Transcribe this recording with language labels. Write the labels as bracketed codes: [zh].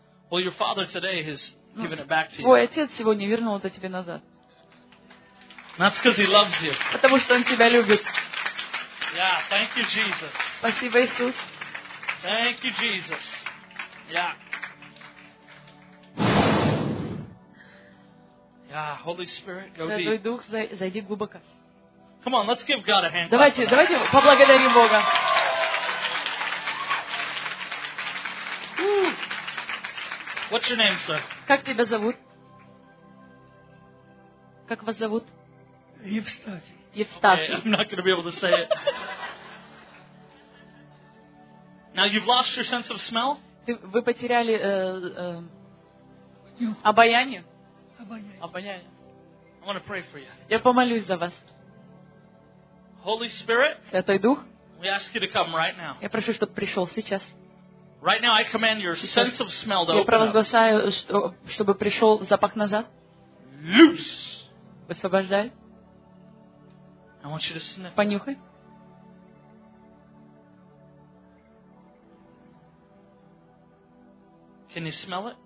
[en] Well, your father today has given it back to you. [ru] Твой отец сегодня вернул это тебе назад. [en] That's because he loves you. [ru] Потому что он тебя любит. [en] Yeah, thank you, Jesus. [ru] Спасибо, Иисус. [en] Thank you, Jesus. Yeah. Yeah, Holy Spirit, go deep. [ru] Святой Дух, зайди глубоко. [en] Come on, let's give God a hand. [ru] Давайте поблагодарим Бога. [en] What's your name, sir? [ru] Как тебя зовут? Как вас зовут? Евстафий. Евстафий. [en] I'm not going to be able to say it. Now you've lost your sense of smell? [ru] Вы потеряли обоняние? [en] Обоняние. I want to pray for you. [ru] Я помолюсь за вас. [en] Holy Spirit? [ru] Святой Дух? [en] We ask you to come right now. [ru] Я прошу, чтобы пришёл сейчас. [en] Right now I command your sense of smell to open. [ru] Я провозглашаю, чтобы пришёл запах назад. [en] Loose. [ru] Высвобождай. [en] I want you to sniff. [ru] Понюхай. [en] Can you smell it?